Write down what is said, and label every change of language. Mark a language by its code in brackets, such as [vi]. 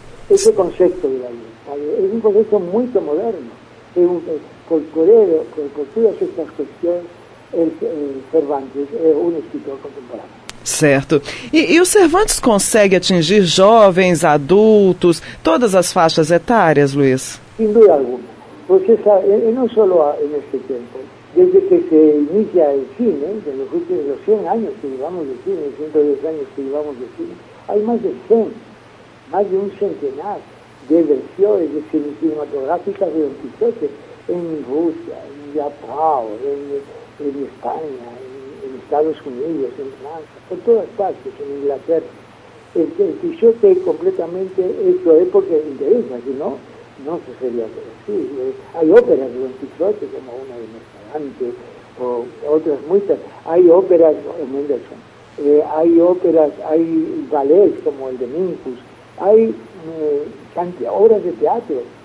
[es] Ese concepto de la libertad es un concepto muy moderno. Por todas estas cuestiones, el Cervantes es un escritor contemporáneo. [pt] Certo. E o Cervantes consegue atingir jovens, adultos, todas as faixas etárias, Luiz? Sem dúvida alguma. Você sabe, não só neste tempo, desde que se inicia o cine, nos últimos 100 anos que vivamos de cine, 110 anos que vivamos de cine, há mais de um centenar de versões de cine cinematográficas de Don Quixote em Rússia, em Japão, em Espanha, [es] en Estados Unidos, en Francia, por todas partes, en Inglaterra. El Quixote completamente hecho es porque interesa, si no, no se sería así. Hay óperas de Don Quixote, como una de Mercadante, otras muchas. Hay óperas de Mendelssohn, hay óperas, hay ballets como el de Minkus, hay obras de teatro.